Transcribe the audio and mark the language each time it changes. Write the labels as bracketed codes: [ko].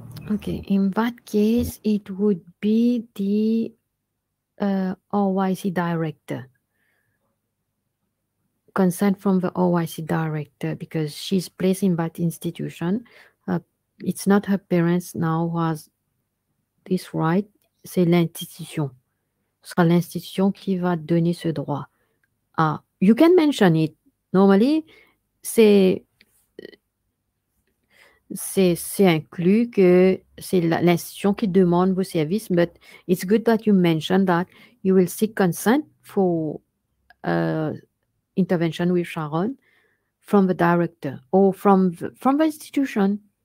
[en] Okay, in that case, it would be the OYC director. Consent from the OYC director because she's placed in that institution. It's not her parents now who has this right, [fr] c'est l'institution. Ce sera l'institution qui va donner ce droit. [en] Ah, you can mention it. Normally, [fr] c'est inclus que c'est l'institution qui demande vos services, [en] but it's good that you mention that you will seek consent for intervention with Sharon from the director or from the institution.